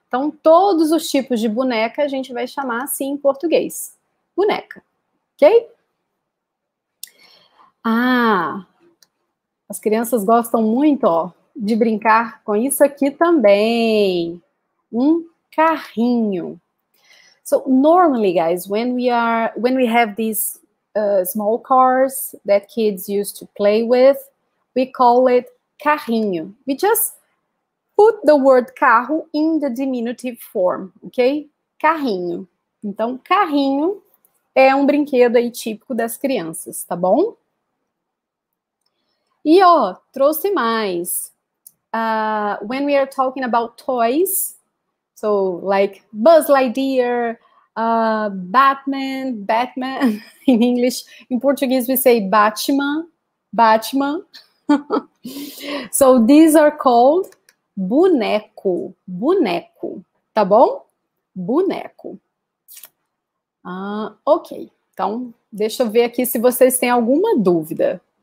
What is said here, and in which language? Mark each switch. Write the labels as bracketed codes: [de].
[pt] Então, todos os tipos de boneca a gente vai chamar assim em português. Boneca. Ok? Ah. As crianças gostam muito, ó, de brincar com isso aqui também. Um carrinho. [en] So normally, guys, when we have these small cars that kids used to play with, we call it carrinho. We just put the word carro in the diminutive form, ok? [pt] Carrinho. Então, carrinho é um brinquedo aí típico das crianças, tá bom? E ó, trouxe mais. [en] When we are talking about toys, so like Buzz Lightyear, Batman, in English, in Portuguese we say Batman, Batman. So these are called boneco, boneco, [pt] tá bom? Boneco. Ok, então deixa eu ver aqui se vocês têm alguma dúvida.